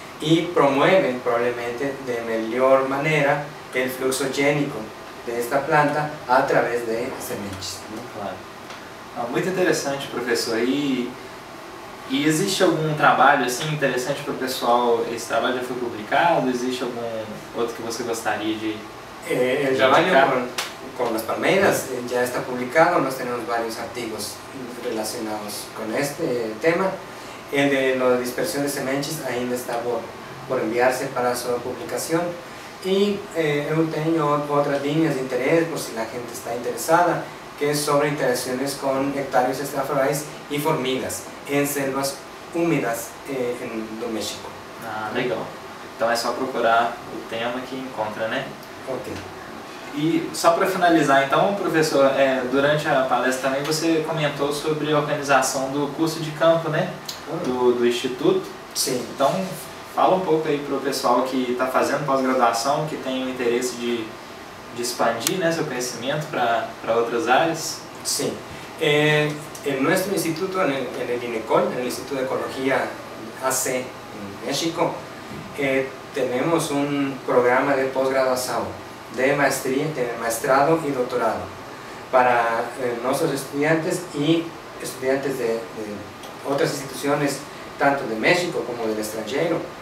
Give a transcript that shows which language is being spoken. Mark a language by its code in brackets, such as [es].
[es] Y promueven probablemente de mejor manera el flujo génico de esta planta a través de sementes, ¿no? Claro. Ah, muy interesante, profesor. [pt] E existe algum trabalho assim interessante para o pessoal? Esse trabalho já foi publicado? Existe algum outro que você gostaria de O trabalho com as palmeiras já está publicado. Nós temos vários artigos relacionados com este tema. O de dispersão de sementes ainda está por enviar-se para a sua publicação. E eu tenho outras linhas de interesse, por se a gente está interessada, que é sobre interações com hectares estrafalais e formigas em selvas úmidas do México. Ah, legal. Então é só procurar o tema que encontra, né? Ok. E só para finalizar, então, professor, durante a palestra também você comentou sobre a organização do curso de campo, né? Do Instituto. Sim. Então, fala um pouco aí para o pessoal que está fazendo pós-graduação, que tem o interesse de expandir, né, seu conhecimento para outras áreas. Sim. [es] En nuestro instituto, en el INECOL, en el Instituto de Ecología AC en México, tenemos un programa de posgraduación, de maestría, de maestrado y doctorado para nuestros estudiantes y estudiantes de otras instituciones, tanto de México como del extranjero.